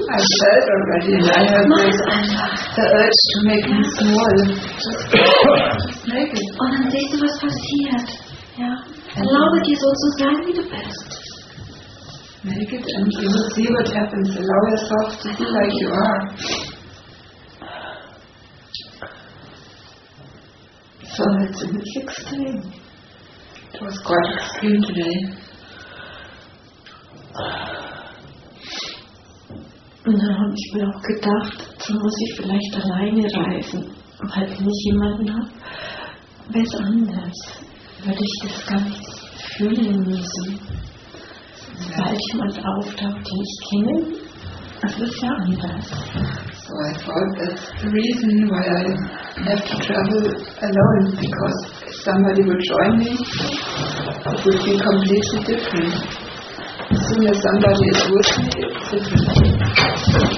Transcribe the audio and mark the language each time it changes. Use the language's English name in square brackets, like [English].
[English] I felt already, and I have the urge to make him small. Just make it. [German] Und dann siehst du, was passiert. Ja. Erlaube dir so zu sein, wie du bist. [English] Make it, and you will see what happens. Allow yourself to be like you are. So, it's a bit extreme. It was quite extreme today. [German] Und dann habe ich mir auch gedacht, so muss ich vielleicht alleine reisen. Weil wenn ich jemanden habe, wäre es anders. Würde ich das gar nicht fühlen müssen. Sobald jemand auftaucht, den ich kenne, das ist ja anders. [English] So I thought that's the reason why I have to travel alone, because if somebody would join me, it would be completely different. As soon as somebody is with me, it's different.